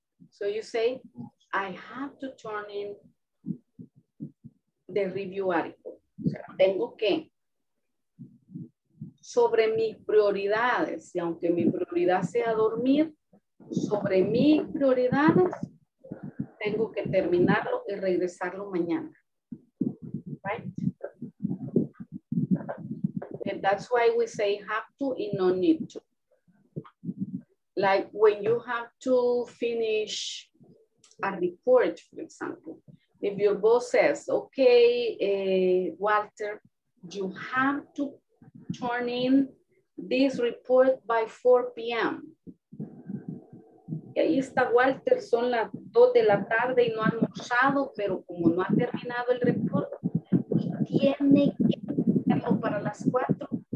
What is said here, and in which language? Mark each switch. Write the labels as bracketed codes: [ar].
[en] So you say, I have to turn in the review article. [es] O sea, tengo que. Sobre mis prioridades, y aunque mi prioridad sea dormir, sobre mis prioridades, tengo que terminarlo y regresarlo mañana. [en] Right? And that's why we say have to and no need to. Like when you have to finish a report, for example, if your boss says, okay, Walter, you have to turn in this report by 4 p.m. [es] Y ahí está Walter, son las 2 de la tarde y no ha almorzado, pero como no ha terminado el report, tiene que hacerlo para las 4.